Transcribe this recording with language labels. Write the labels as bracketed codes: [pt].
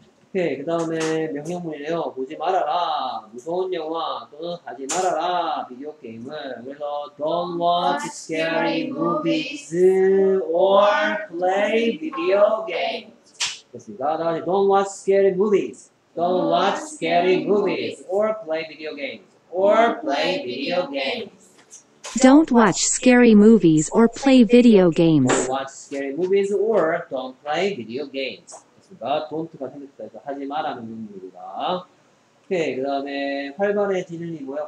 [ko] 오케이, 그 다음에 명령문이네요. 보지 말아라. 무서운 영화 또는 하지 말아라. 비디오 게임을. [en] 그래서 don't watch scary movies or play video games. [ko] 됐습니다. 다 같이 [en] don't watch scary movies. Don't watch scary movies or play video games. Or play video games. Don't watch scary movies or play video games. Don't watch scary movies or don't play video games. [ko] Don't가 생겼다. 하지 마라는 의미입니다. 오케이, 그 다음에 활발해지는 이 뭐야?